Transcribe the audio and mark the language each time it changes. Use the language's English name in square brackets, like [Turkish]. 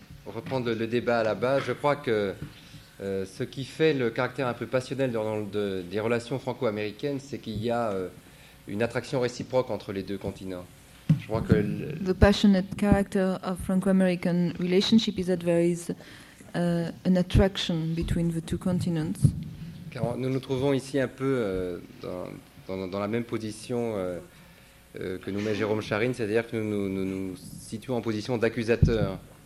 [French] pour reprendre le débat à la base, je crois que ce qui fait le caractère un peu passionnel des relations franco-américaines, c'est qu'il y a une attraction réciproque entre les deux continents. Je crois que [English] the passionate character of Franco-American relationship is that there is an attraction between the two continents. [French] Car nous nous trouvons ici un peu dans la même position que nous met Jérôme Charyn, c'est-à-dire que nous situons en position d'accusateur.